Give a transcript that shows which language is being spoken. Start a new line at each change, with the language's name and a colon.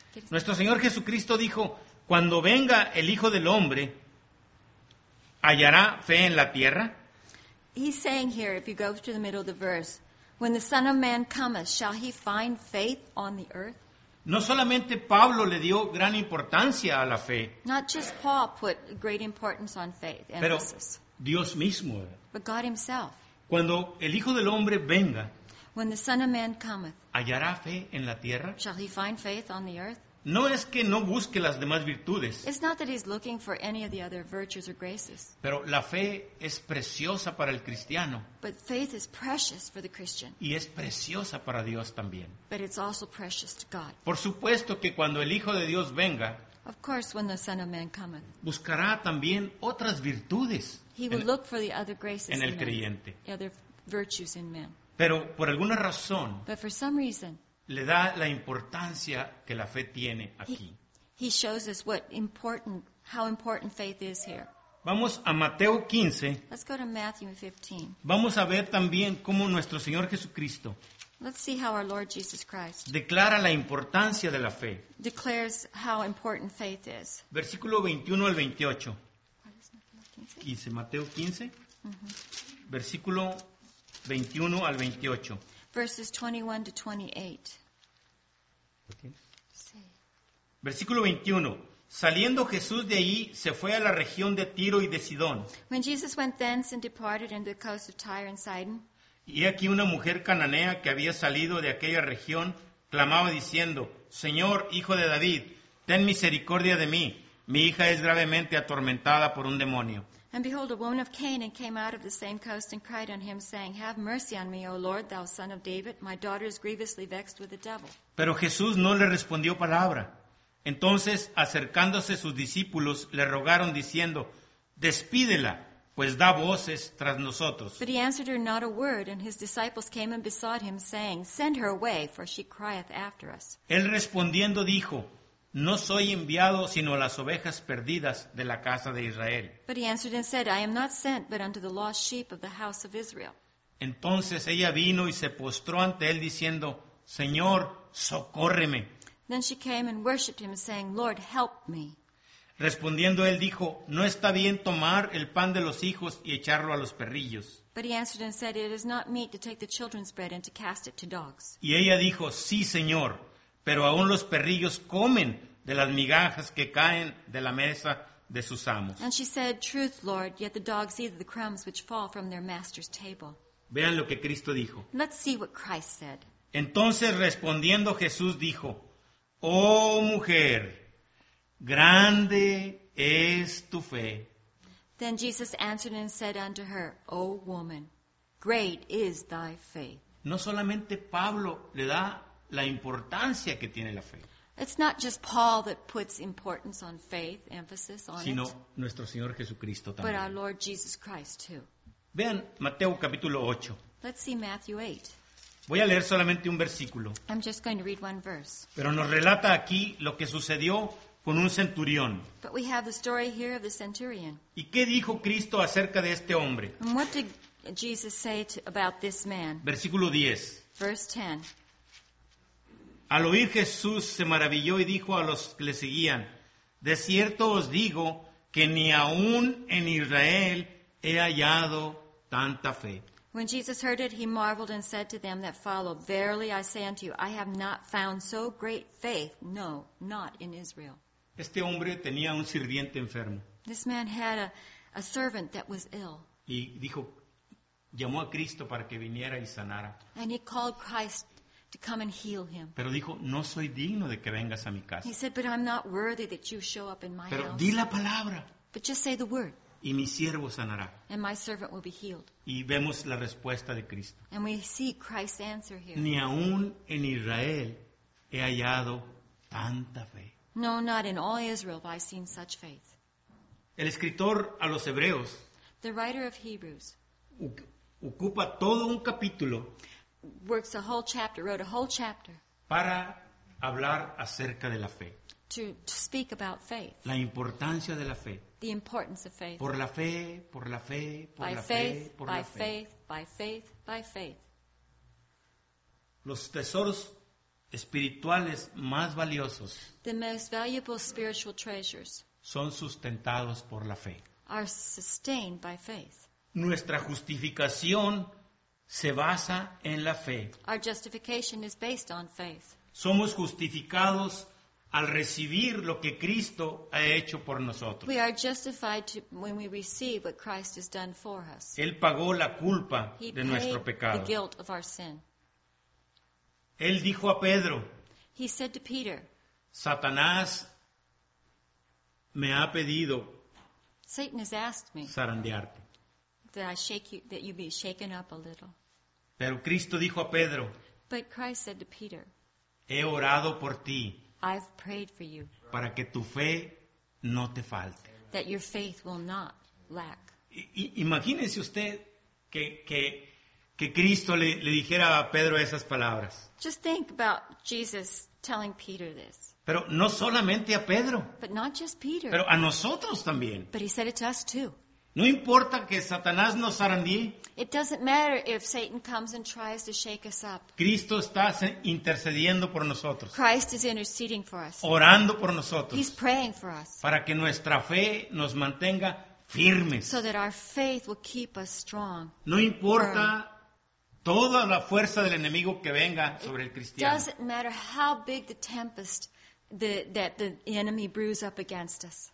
Spanish: Nuestro Señor Jesucristo dijo, cuando venga el Hijo del Hombre, ¿hallará fe en la tierra?
English: He's saying here, if you go through the middle of the verse, when the Son of Man cometh, shall he find faith on the earth?
Spanish: No solamente Pablo le dio gran importancia a la fe.
English: Not just Paul put great importance on faith, emphasis.
Spanish: Pero Dios mismo.
English: But God himself.
Spanish: Cuando el Hijo del Hombre venga,
English: when the Son of Man cometh,
Spanish: ¿hallará fe en la tierra?
English: Shall he find faith on the earth?
Spanish: No es que no busque las demás virtudes.
English: It's not that he's looking for any of the other virtues or graces.
Spanish: Pero la fe es preciosa para el cristiano.
English: But faith is precious for the Christian.
Spanish: Y es preciosa para Dios también.
English: But it's also precious to God.
Spanish: Por supuesto que cuando el Hijo de Dios venga,
English: of course, when the Son of Man cometh,
Spanish: buscará también otras virtudes.
English: He will look for the other graces
Spanish: en el creyente.
English: The other virtues in man.
Spanish: Pero por alguna razón,
English: but for some reason,
Spanish: le da la importancia que la fe tiene aquí.
English: He shows us what important, how important faith is here.
Spanish: Vamos a Mateo 15.
English: Let's go to Matthew 15.
Spanish: Vamos a ver también cómo nuestro Señor Jesucristo.
English: Let's see how our Lord Jesus Christ
Spanish: declara la importancia de la fe.
English: Declares how important faith is.
Spanish: Versículo 21 al 28. 15, Mateo 15. Mm-hmm. Versículo 21 al 28.
English: Verses 21-28.
Spanish: Versículo 21. Saliendo Jesús de ahí, se fue a la región de Tiro y de Sidón.
English: When Jesus went thence and departed into the coast of Tyre and Sidon.
Spanish: Y aquí una mujer cananea que había salido de aquella región, clamaba diciendo, Señor, Hijo de David, ten misericordia de mí. Mi hija es gravemente atormentada por un demonio.
English: And behold, a woman of Canaan came out of the same coast and cried on him, saying, Have mercy on me, O Lord, thou son of David. My daughter is grievously vexed with the devil.
Spanish: Pero Jesús no le respondió palabra. Entonces, acercándose sus discípulos, le rogaron, diciendo, Despídela, pues da voces tras nosotros.
English: But he answered her not a word, and his disciples came and besought him, saying, Send her away, for she crieth after us.
Spanish: Él respondiendo dijo, No soy enviado sino a las ovejas perdidas de la casa de Israel.
English: But he answered and said, I am not sent but unto the lost sheep of the house of Israel.
Spanish: Entonces ella vino y se postró ante él diciendo, Señor, socórreme.
English: Then she came and worshipped him saying, Lord, help me.
Spanish: Respondiendo él dijo, No está bien tomar el pan de los hijos y echarlo a los perrillos.
English: But he answered and said, It is not meet to take the children's bread and to cast it to dogs.
Spanish: Y ella dijo, Sí, Señor. Pero aún los perrillos comen de las migajas que caen de la mesa de sus amos.
English: And she said, Truth, Lord, yet the dogs eat the crumbs which fall from their master's table.
Spanish: Vean lo que Cristo dijo.
English: Let's see what Christ said.
Spanish: Entonces respondiendo Jesús dijo, Oh mujer, Grande es tu fe.
English: Then Jesus answered and said unto her, O woman, great is thy faith.
Spanish: No solamente Pablo le da la importancia que tiene la fe.
English: It's not just Paul that puts importance on faith, emphasis on
Spanish: sino
English: it.
Spanish: Sino nuestro Señor Jesucristo también.
English: But our Lord Jesus Christ too.
Spanish: Vean Mateo capítulo 8.
English: Let's see Matthew 8.
Spanish: Voy a leer solamente un versículo.
English: I'm just going to read one verse.
Spanish: Pero nos relata aquí lo que sucedió con un centurión.
English: But we have the story here of the centurion.
Spanish: ¿Y qué dijo Cristo acerca de este hombre?
English: And what did Jesus say about this man?
Spanish: Versículo 10.
English: Verse 10.
Spanish: Al oír Jesús se maravilló y dijo a los que le seguían, de cierto os digo que ni aún en Israel he hallado tanta fe.
English: When Jesus heard it, he marveled and said to them that followed, verily I say unto you, I have not found so great faith, no, not in Israel.
Spanish: Este hombre tenía un sirviente enfermo.
English: This man had a servant that was ill.
Spanish: Y dijo, llamó a Cristo para que viniera y sanara.
English: And he called Christ to come and heal him.
Spanish: Pero dijo, no soy digno de que vengas a mi casa.
English: He said, but I'm not worthy that you show up in my
Spanish: pero
English: house.
Spanish: Di la palabra.
English: But just say the word.
Spanish: Y mi siervo sanará.
English: And my servant will be healed.
Spanish: Y vemos la respuesta de Cristo.
English: And we see Christ's answer here.
Spanish: Ni aún en Israel he hallado tanta fe.
English: No, not in all Israel have I seen such faith.
Spanish: El escritor a los Hebreos.
English: The writer of Hebrews.
Spanish: Ocupa todo un capítulo.
English: Works a whole chapter, wrote a whole chapter.
Spanish: Para hablar acerca de la fe.
English: To speak about faith.
Spanish: La importancia de la fe.
English: The importance of faith.
Spanish: Por la fe, por la fe, por
English: by
Spanish: la
English: faith,
Spanish: fe, por
English: by
Spanish: la fe.
English: By faith, by faith, by faith.
Spanish: Los tesoros espirituales más valiosos.
English: The most valuable spiritual treasures.
Spanish: Son sustentados por la fe.
English: Are sustained by faith.
Spanish: Nuestra justificación se basa en la fe.
English: Our justification is based on faith.
Spanish: Somos justificados al recibir lo que Cristo ha hecho por nosotros.
English: We are justified when we receive what Christ has done for us.
Spanish: Él pagó la culpa de nuestro pecado.
English: He paid the guilt of our sin.
Spanish: Él dijo a Pedro.
English: He said to Peter.
Spanish: Satanás me ha pedido.
English: Satan has asked me.
Spanish: Zarandearte.
English: That I shake you, that you be shaken up a little.
Spanish: Pero Cristo dijo a Pedro.
English: But Christ said to Peter.
Spanish: He orado por ti.
English: I've prayed for you.
Spanish: Para que tu fe no te falte.
English: That your faith will not lack.
Spanish: Imagínese usted que Cristo le dijera a Pedro esas palabras.
English: Just think about Jesus telling Peter this.
Spanish: Pero no solamente a Pedro.
English: But not just Peter.
Spanish: Pero a nosotros también.
English: But he said it to us too.
Spanish: No importa que Satanás nos zarandee.
English: It doesn't matter if Satan comes and tries to shake us up.
Spanish: Cristo está intercediendo por nosotros.
English: Christ is interceding for us.
Spanish: Orando por nosotros.
English: He's praying for us.
Spanish: Para que nuestra fe nos mantenga firmes.
English: So that our faith will keep us strong.
Spanish: No importa toda la fuerza del enemigo que venga sobre el cristiano.
English: It doesn't matter how big the tempest that the enemy brews up against us.